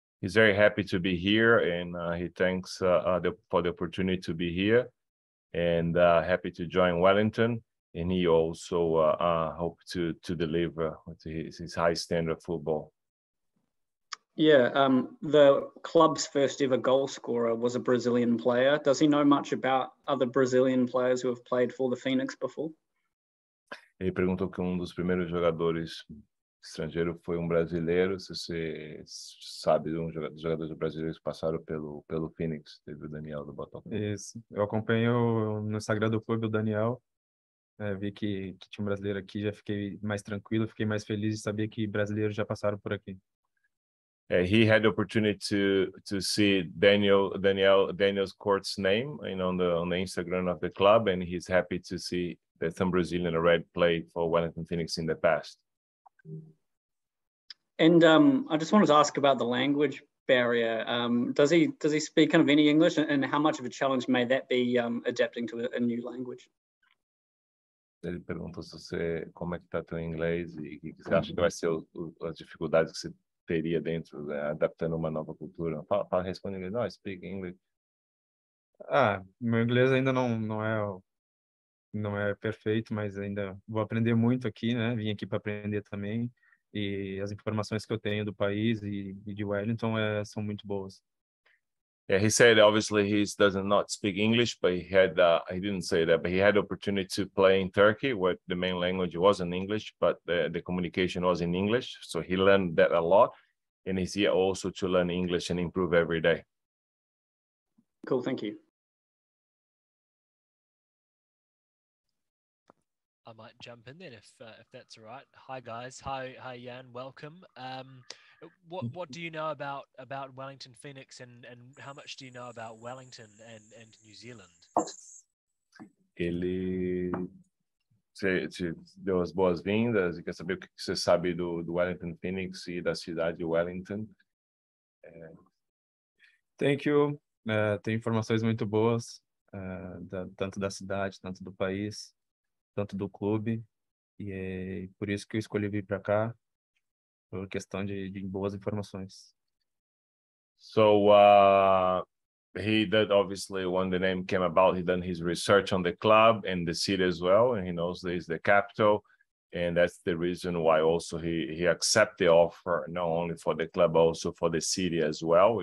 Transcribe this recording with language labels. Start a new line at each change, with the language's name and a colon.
English: He's very happy to be here and he thanks for the opportunity to be here and happy to join Wellington and he also hope to deliver to his high standard football. Yeah, the club's first ever goal scorer was a Brazilian player. Does he know much about other Brazilian players who have played for the Phoenix before?
Portuguese: Ele perguntou que um dos primeiros jogadores estrangeiros foi um brasileiro. Se você sabe de um jogador brasileiro que passaram pelo Phoenix, teve o Daniel do Botafogo. Isso, eu acompanho no Instagram do clube o Daniel. Vi que tinha um brasileiro aqui, já fiquei mais tranquilo, fiquei mais feliz de saber que brasileiros já passaram por aqui.
English: He had the opportunity to see Daniel's court's name on the Instagram of the club, and he's happy to see that some Brazilian already played for Wellington Phoenix in the past. And I just wanted to ask about the language barrier. Does he speak kind of any English, and how much of a challenge may that be adapting to a new language?
Portuguese: Ele perguntou se você como é que está teu inglês e que você acha que vai ser as dificuldades que você teria dentro, né, adaptando uma nova cultura. Fala, responde em inglês. Não,
English: speak English.
Portuguese: Ah, meu inglês ainda não é perfeito, mas ainda vou aprender muito aqui, né? Vim aqui para aprender também. E as informações que eu tenho do país e de Wellington são muito boas.
English: Yeah, he said obviously he doesn't speak English, but he had the opportunity to play in Turkey, where the main language wasn't English, but the communication was in English. So he learned that a lot, and he's here also to learn English and improve every day. Cool, thank you. I might jump in then if that's all right. Hi guys, hi Jan, welcome. What do you know about Wellington Phoenix and how much do you know about Wellington and New Zealand?
Portuguese: Ele te deu as boas-vindas e quer saber o que você sabe do Wellington Phoenix e da cidade de Wellington.
English: Thank you.
Portuguese: Tem informações muito boas, tanto da cidade, tanto do país, tanto do clube. E é por isso que eu escolhi vir para cá. Por questão de boas informações.
English: So he did obviously when the name came about, he done his research on the club and the city as well, and he knows this is the capital, and that's the reason why also he accept the offer, not only for the club, but also for the city as well.